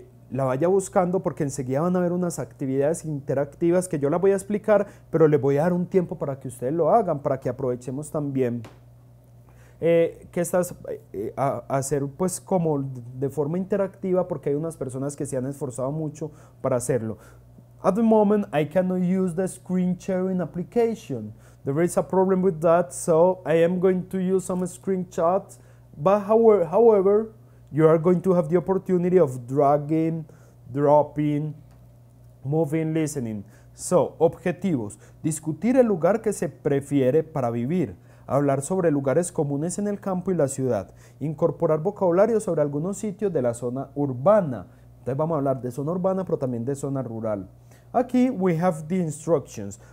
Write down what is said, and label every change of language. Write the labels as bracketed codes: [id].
[es] La vaya buscando porque enseguida van a haber unas actividades interactivas que yo la voy a explicar, pero les voy a dar un tiempo para que ustedes lo hagan, para que aprovechemos también. Que estás a hacer pues como de forma interactiva porque hay unas personas que se han esforzado mucho para hacerlo. [en] At the moment, I cannot use the screen sharing application. There is a problem with that, so I am going to use some screenshots. But however, you are going to have the opportunity of dragging, dropping, moving, listening. [es] So, objetivos. Discutir el lugar que se prefiere para vivir. Hablar sobre lugares comunes en el campo y la ciudad. Incorporar vocabulario sobre algunos sitios de la zona urbana. Entonces vamos a hablar de zona urbana, pero también de zona rural. Aquí [en] we have the instructions.